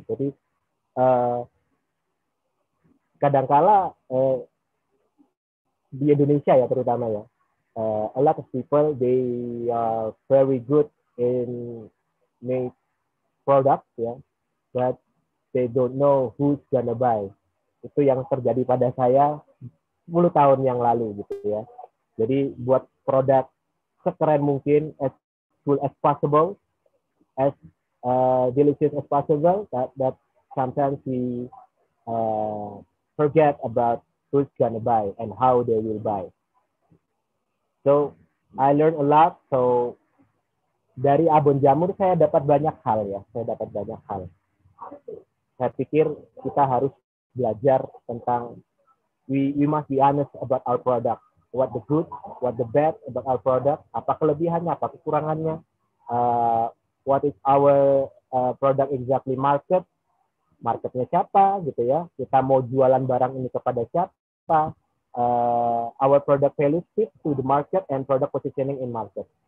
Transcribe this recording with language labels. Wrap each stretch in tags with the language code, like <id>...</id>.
<id>Jadi kadangkala di Indonesia ya terutama ya,</id> <en>a lot of people they are very good in make product ya, yeah, but they don't know who's gonna buy.</en> <id>Itu yang terjadi pada saya 10 tahun yang lalu gitu ya. Jadi buat produk sekeren mungkin,</id> <en>as cool as possible, as delicious as possible, that sometimes we forget about who's gonna buy and how they will buy. So I learned a lot.</en> <id>So dari abon jamur saya dapat banyak hal ya. Saya dapat banyak hal. Saya pikir kita harus belajar tentang</id> <en>we must be honest about our product. What the good, what the bad about our product,</en> <id>apa kelebihannya, apa kekurangannya,</id> <en>what is our product exactly market,</en> <id>marketnya siapa, gitu ya, kita mau jualan barang ini kepada siapa,</id> <en>our product value fit to the market and product positioning in market.</en>